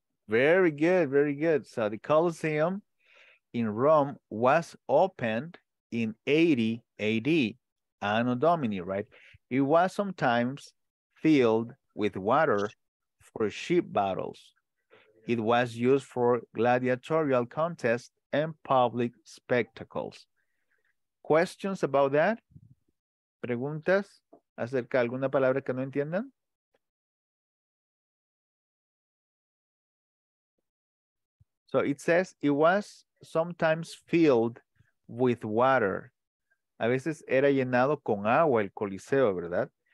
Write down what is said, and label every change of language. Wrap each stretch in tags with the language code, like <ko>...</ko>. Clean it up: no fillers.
<en>Very good, very good. So the Colosseum in Rome was opened in 80 AD, Anno Domini, right? It was sometimes filled with water for ship battles. It was used for gladiatorial contests and public spectacles. Questions about that?</en> <es>¿Preguntas acerca de alguna palabra que no entiendan?</es> <en>So it says it was sometimes filled with water.</en> <es>A veces era llenado con agua el Coliseo, ¿verdad?</es>